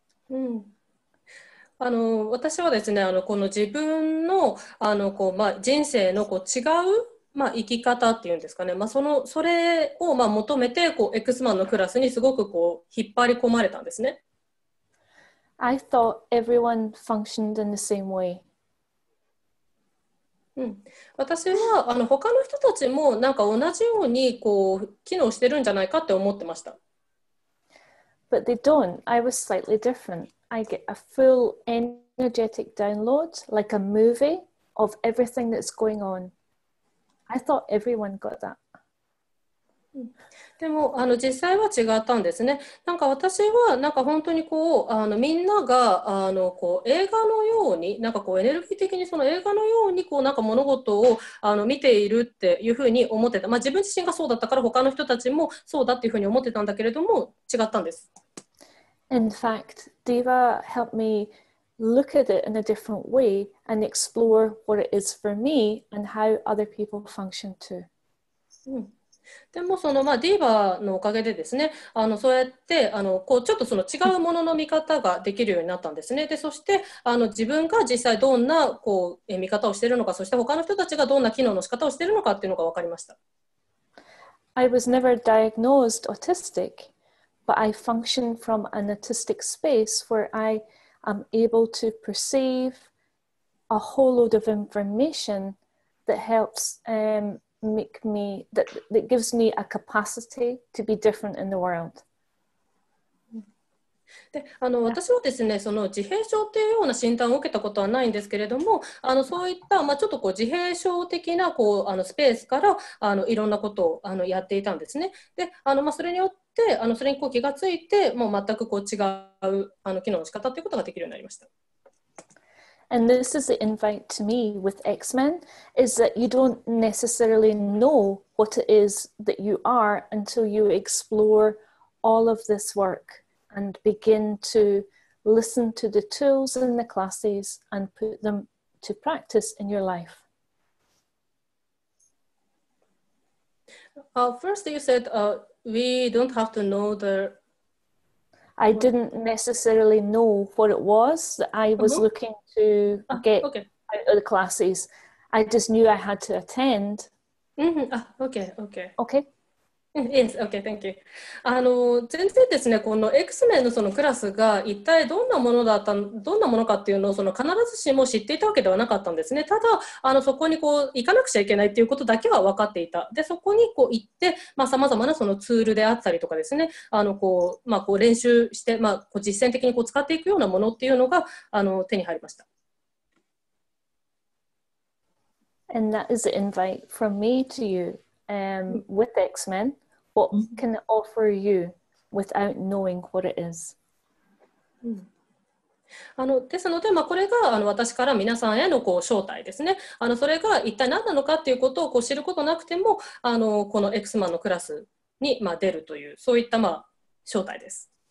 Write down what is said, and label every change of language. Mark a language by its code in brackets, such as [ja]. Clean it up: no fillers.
[ja] Mm. 私はですね、この自分の、こう、まあ、人生のこう違う、まあ、生き方っていうんですかね、まあ、それを、まあ、求めてこう X-Men のクラスにすごくこう引っ張り込まれたんですね。 [en] I thought everyone functioned in the same way. [ja] うん、私は他の人たちもなんか同じようにこう機能してるんじゃないかって思ってました。 [en] But they don't. I was slightly different. I get a full energetic download, like a movie of everything that's going on. I thought everyone got that. [ja] でも実際は違ったんですね。なんか私はなんか本当にこうみんながこう映画のように、なんかこうエネルギー的にその映画のようにこうなんか物事を見ているっていうふうに思ってた、まあ、自分自身がそうだったから他の人たちもそうだっていうふうに思ってたんだけれども、違ったんです。 [en] In fact, Diva helped me look at it in a different way and explore what it is for me and how other people function too、 [ja] うん、でもその、まあ、ディーバーのおかげでですね、そうやってこうちょっとその違うものの見方ができるようになったんですね。でそして自分が実際どんなこう見方をしているのか、そして他の人たちがどんな機能の仕方をしているのかっていうのが分かりました。 [en] I was never diagnosed autistic, but I function from an autistic space where I am able to perceive a whole load of information that helps make me that gives me a capacity to be different in the world. [ja] で私はですね、その自閉症っていうような診断を受けたことはないんですけれども、そういった、まあ、ちょっとこう自閉症的なこうスペースからいろんなことをやっていたんですね。で、まあ、それによってそれにこう気がついて、もう全くこう違う機能の仕方ということができるようになりました。 [en] And this is the invite to me with X-Men, is that you don't necessarily know what it is that you are until you explore all of this work and begin to listen to the tools in the classes and put them to practice in your life. First you said we don't have to know the... I didn't necessarily know what it was that I was looking to get out of the classes. I just knew I had to attend. Mm-hmm. Okay. Yes, okay, thank you. [ja] あの全然ですね、この X メンのそのクラスが一体どんなものだったどんなものかっていうのをその必ずしも知っていたわけではなかったんですね。ただあのそこにこう行かなくちゃいけないっていうことだけは分かっていた。でそこにこう行って、まあ、様々なそのツールであったりとかですね、あのこう、まあ、こう練習して、まあ、こう実践的にこう使っていくようなものっていうのがあの手に入りました。 [en] And that is an invite from me to you. With X-Men, what can it offer you without knowing what it is? [ja] あのですので、まあ、これがあの私から皆さんへのこう招待ですね。あのそれが一体何なのかということをこう知ることなくてもあのこの X-Men のクラスに、まあ、出るというそういった、まあ、招待です。